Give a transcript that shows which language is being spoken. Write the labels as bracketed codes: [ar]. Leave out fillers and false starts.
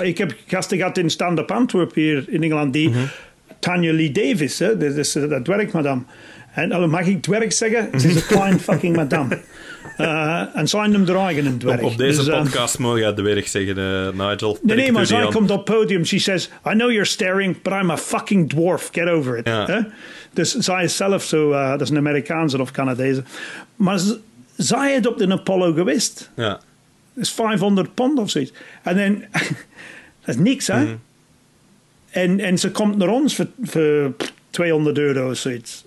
[nl] Ik heb gasten gehad in stand-up Antwerp hier in Engeland. Die Tanya Lee Davis, hè? Dat werkt, madame. En mag ik dwerg zeggen? Ze is een klein fucking madame. En zij noemt haar eigen een dwerg. Op deze dus, podcast mag je dwerg zeggen, Nigel. Nee, maar zij komt op het podium. [en] She says, I know you're staring, but I'm a fucking dwarf. Get over it. [nl] Ja. Dus zij is zelf zo, dat is een Amerikaanse of Canadese. Maar zij is op de Apollo geweest. Ja. Dat is £500 of zoiets. En dan, dat is niks, hè? En ze komt naar ons voor €200 of zoiets.